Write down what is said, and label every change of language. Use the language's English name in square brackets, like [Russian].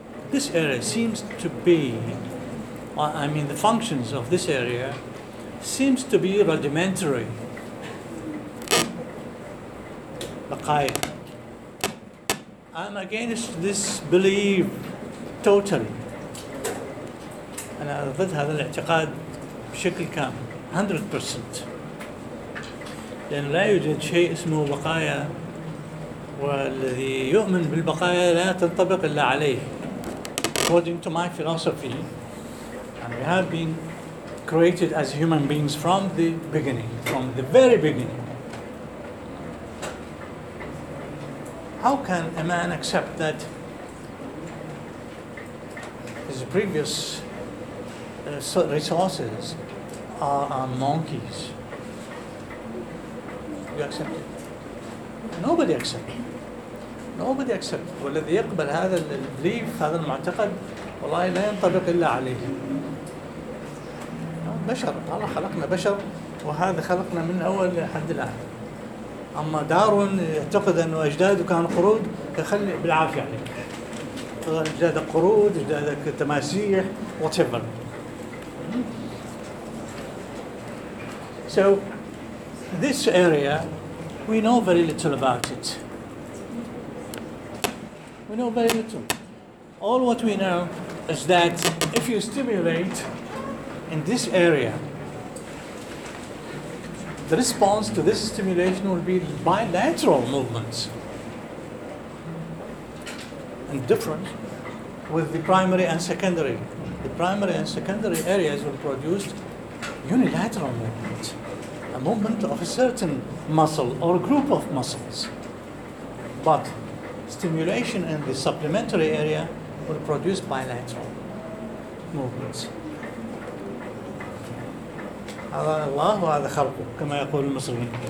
[English] This area seems to be, I mean the functions of this area, seems to be rudimentary. I'm against this belief totally. [Arabic] أنا ضد هذا الاعتقاد بشكل كامل 100%. لأن لا يوجد شيء اسمه بقايا والذي يؤمن بالبقايا لا تنطبق إلا عليه. [English] According to my philosophy, and we have been created as human beings from the beginning, from the very beginning. How can a man accept that his previous resources are monkeys? You accept it? Nobody accept it. Nobody accept it. [Arabic] والذي يقبل هذا البليف هذا المعتقد والله لا ينطبق إلا عليه. بشر الله خلقنا بشر وهذا خلقنا من أول حد الآن. أما داروين يعتقد أن أجداده كانوا قرود يخلي بالعافية عليك أجدادك قرود أجدادك تماسيح whatever. [English] So this area we know very little about it. We know very little. All what we know is that if you stimulate in this area, the response to this stimulation will be bilateral movements. And different with the primary and secondary. The primary and secondary areas will produce unilateral movement. A movement of a certain muscle or group of muscles. But stimulation in the supplementary area will produce bilateral movements. [Arabic] هذا الله وهذا خلقه كما يقول المصريين.